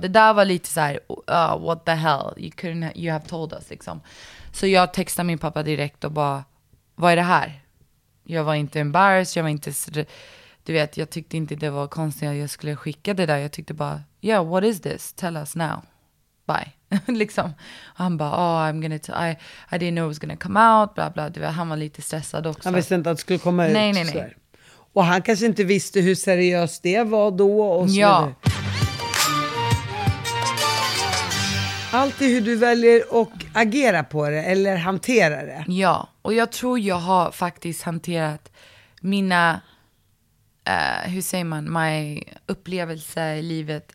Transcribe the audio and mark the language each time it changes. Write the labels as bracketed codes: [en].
[sv] Det där var lite så här: [en] what the hell, you have told us [sv] liksom. Så jag textade min pappa direkt och bara, vad är det här? Jag var inte embarrassed, jag var inte, du vet, jag tyckte inte det var konstigt att jag skulle skicka det där. Jag tyckte bara, [en] yeah, what is this? Tell us now. Bye. Liksom. [sv] Och han bara, [en] oh, I'm gonna I didn't know it was gonna come out, bla bla. [sv] Du vet, han var lite stressad också. Han visste inte att det skulle komma ut. Nej, nej, nej. Och han kanske inte visste hur seriöst det var då. Och så, ja. Alltid hur du väljer att agera på det eller hantera det. Ja, och jag tror jag har faktiskt hanterat mina, hur säger man, my upplevelse i livet.